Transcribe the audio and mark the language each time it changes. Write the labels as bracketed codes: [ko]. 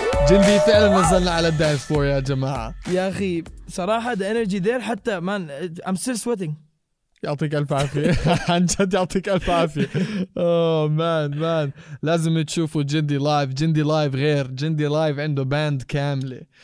[ar] جندي فعلا نزلنا على الدانس فور يا جماعة. يا أخي صراحة [en] the energy there [ar] حتى [en] man I'm still sweating. [ar] يعطيك ألف عافية عن جد، يعطيك ألف عافية. أوه مان مان، لازم تشوفوا جندي لايف. جندي لايف غير، جندي لايف عنده باند كاملة.